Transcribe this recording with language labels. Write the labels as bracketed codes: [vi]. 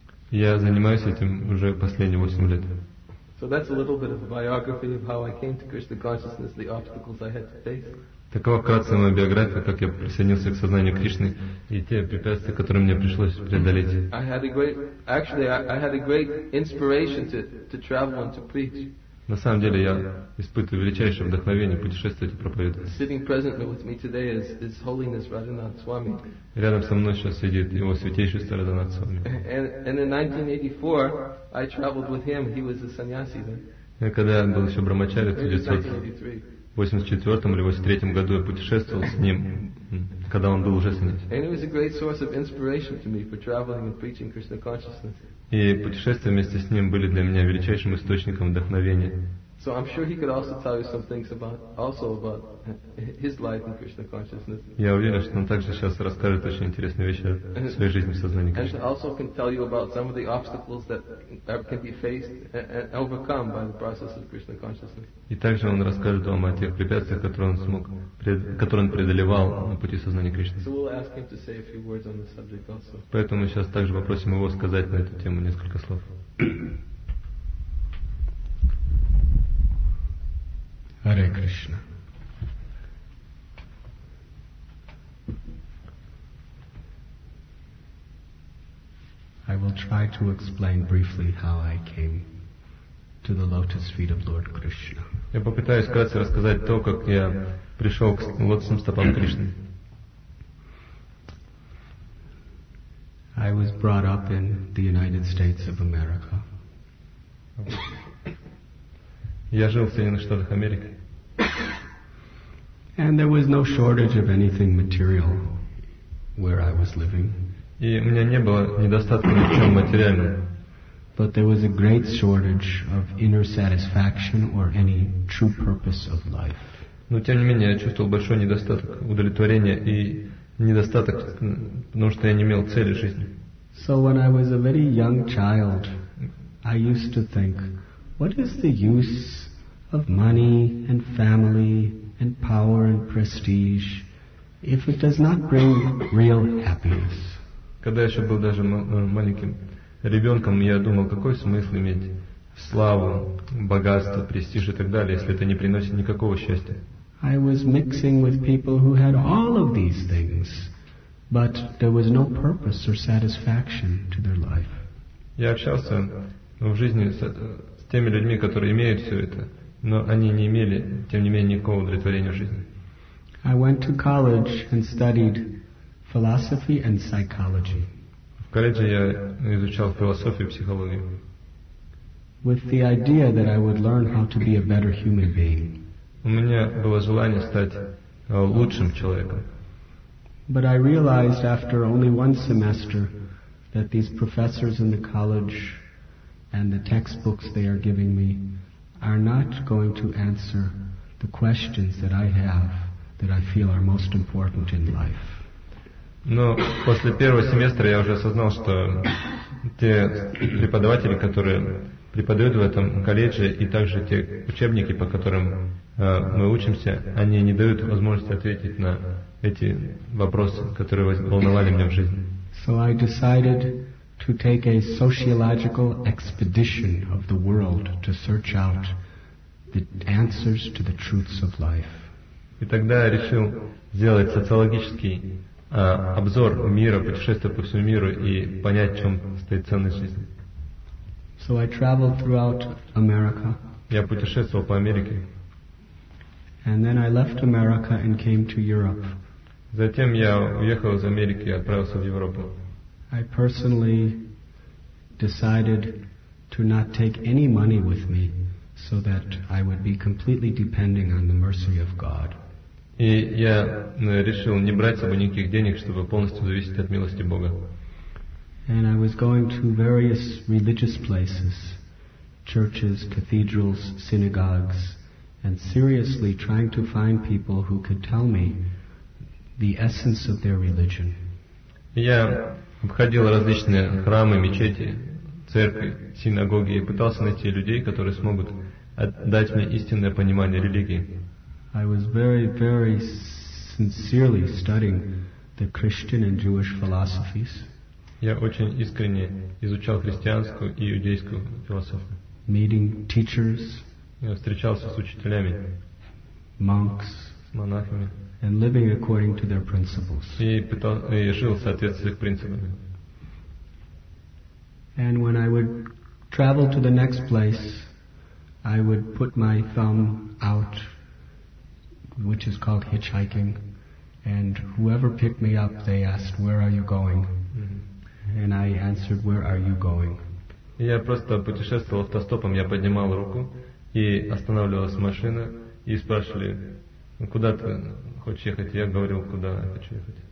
[ru] Я занимаюсь этим уже последние 8 лет. [en] So that's a little bit of a biography of how I came to Krishna consciousness, the obstacles I had to face. [ru] Такова вкратце моя биография, как я присоединился к сознанию Кришны и те препятствия, которые мне пришлось преодолеть. На самом деле я испытываю величайшее вдохновение путешествовать и проповедовать. Рядом со мной сейчас сидит его святейшество Радханат Свами. [en] And in 1984 I traveled with him. He was a sannyasi then. [ru] Я когда был еще брахмачари, в 1984 или 83 году я путешествовал с ним, когда он был уже сыном. И путешествия вместе с ним были для меня величайшим источником вдохновения. [en] So I'm sure he could also tell you some things about also about his life in Krishna consciousness. [ru] Я уверен, что он также сейчас расскажет очень интересные вещи о своей жизни в сознании Кришны. [en] And also can tell you about some of the obstacles that can be faced and overcome by the process of Krishna consciousness. [ru] И также он расскажет вам о тех препятствиях, которые он преодолевал на пути сознания Кришны. [en] So we'll ask him to say a few words on the subject also. [ru] Поэтому мы сейчас также попросим его сказать на эту тему несколько слов. [en] Hare Krishna. I will try to explain briefly how I came to the lotus feet of Lord Krishna. [ru] Я попытаюсь кратко рассказать то, как я пришел к лотосным стопам Кришны. [en] I was brought up in the United States of America. [ru] Я жил в Соединенных Штатах Америки. [en] And there was no shortage of anything material where I was living. [ru] И у меня не было недостатка ни в чем материальном. [en] But there was a great shortage of inner satisfaction or any true purpose of life. [ru] Но тем не менее я чувствовал большой недостаток удовлетворения и недостаток, потому что я не имел цели жизни. [en] So when I was a very young child, I used to think, what is the use of money and family and power and prestige if it does not bring real happiness? [ru] Когда я еще был даже маленьким ребенком, я думал, какой смысл иметь славу, богатство, престиж и так далее, если это не приносит никакого счастья. [en] I was mixing with people who had all of these things, but there was no purpose or satisfaction to their life. [ru] Я общался в жизни с теми людьми, которые имеют все это, но они не имели, тем не менее, никакого удовлетворения в жизни. [en] I went to college and studied philosophy and psychology. [ru] В колледже я изучал философию и психологию. [en] With the idea that I would learn how to be a better human being. [ru] У меня было желание стать лучшим человеком. [en] But I realized after only one semester that these professors in the college and the textbooks they are giving me are not going to answer the questions that I have that I feel are most important in life. [ru] Но после первого семестра я уже осознал, что те преподаватели, которые преподают в этом колледже, и также те учебники, по которым мы учимся, они не дают возможности ответить на эти вопросы, которые волновали меня в жизни. [en] So I decided to take a sociological expedition of the world to search out the answers to the truths of life. [ru] И тогда я решил сделать социологический обзор мира, путешествие по всему миру и понять, в чем стоит ценность жизни. [en] So I traveled throughout America. [ru] Я путешествовал по Америке. [en] And then I left America and came to Europe. [ru] Затем я уехал из Америки и отправился в Европу. [en] I personally decided to not take any money with me so that I would be completely depending on the mercy of God. [ru] И я решил не брать с собой никаких денег, чтобы полностью зависеть от милости Бога. [en] And I was going to various religious places, churches, cathedrals, synagogues, and seriously trying to find people who could tell me the essence of their religion. [ru] Я обходил различные храмы, мечети, церкви, синагоги и пытался найти людей, которые смогут дать мне истинное понимание религии. [en] I was very, very sincerely studying the Christian and Jewish philosophies. [ru] Я очень искренне изучал христианскую и иудейскую философию. [en] Meeting teachers. [ru] Я встречался с учителями. [en] Monks. [ru] С монахами. [en] And living according to their principles. [ru] И жил в соответствии с их принципами. [en] And when I would travel to the next place, I would put my thumb out, which is called hitchhiking, and whoever picked me up, they asked, where are you going? Mm-hmm. And I answered, where are you going? [ru] Я просто путешествовал автостопом, я поднимал руку, и останавливалась машина, и спрашивали, куда ты хочешь ехать? Я говорил, куда я хочу ехать.